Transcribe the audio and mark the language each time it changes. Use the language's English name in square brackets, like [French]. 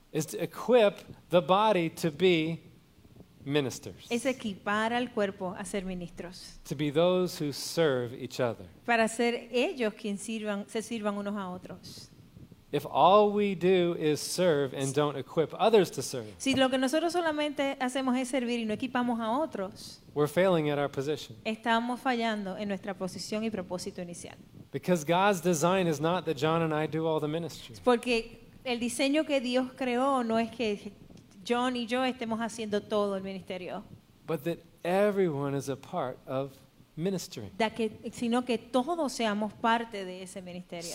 [English] is to equip the body to be ministers. [Spanish] Es equipar al cuerpo a ser ministros. [English] To be those who serve each other. [Spanish] Para ser ellos quienes se sirvan unos a otros. [English] If all we do is serve and don't equip others to serve. [Spanish] Si lo que nosotros solamente hacemos es servir y no equipamos a otros. [English] We're failing at our position. [Spanish] Estamos fallando en nuestra posición y propósito inicial. [English] Because God's design is not that John and I do all the ministry. [Spanish] Porque el diseño que Dios creó no es que John y yo estemos haciendo todo el ministerio. [English] But that everyone is a part of ministering. [Spanish] Sino que todos seamos parte de ese ministerio.